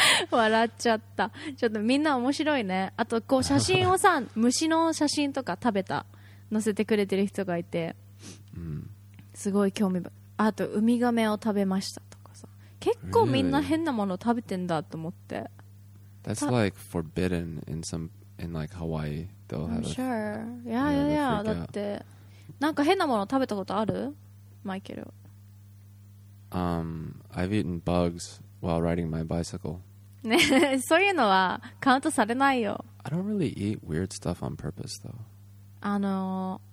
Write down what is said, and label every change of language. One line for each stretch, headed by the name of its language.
Japanese: 笑っちゃった。ちょっとみんな面白いね。あと、こう写真をさ、虫の写真とか食べた載せてくれてる人がいて、すごい興味。あと、ウミガメを食べましたとかさ、結構みんな変なものを食べてんだと思って。
English: That's like forbidden in some in like Hawaii. They'll have. I'm sure. Yeah, yeah, yeah.
Japanese: Yeah, だってなんか変なものを食べたことある？
English: Michael. I've eaten bugs while riding my bicycle.
Japanese: ね、そういうのはカウントされないよ。
English: I don't really eat weird stuff on purpose, though.